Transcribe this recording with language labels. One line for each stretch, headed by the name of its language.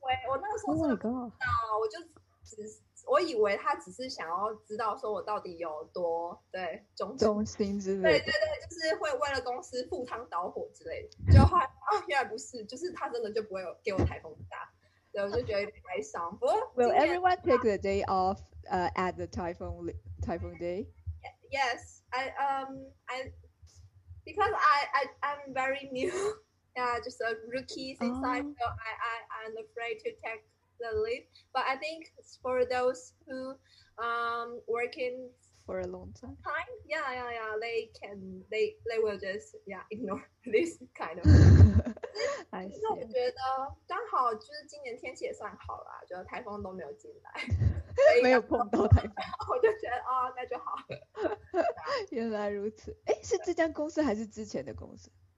Chinese: 我那个时候真的不知道，我就只是。我以为他只是想要知道说我到底有多对忠心之类的，对对对，就是会为了公司赴汤蹈火之类的。就后来原来不是，就是他真的就不会给我台风假，所以我就觉得悲伤。不过
English: Will everyone take the day off at the typhoon day? Yes, I'm very new, yeah, just a rookie inside, so I'm afraid to take. The leave, but I think for those who working for a long time, yeah, they will just ignore this kind of. I see.
Chinese: 我觉得刚好就是今年天气也算好啦，就台风都没有进来，没有碰到台风，我就觉得那就好。原来如此，哎，是这家公司还是之前的公司？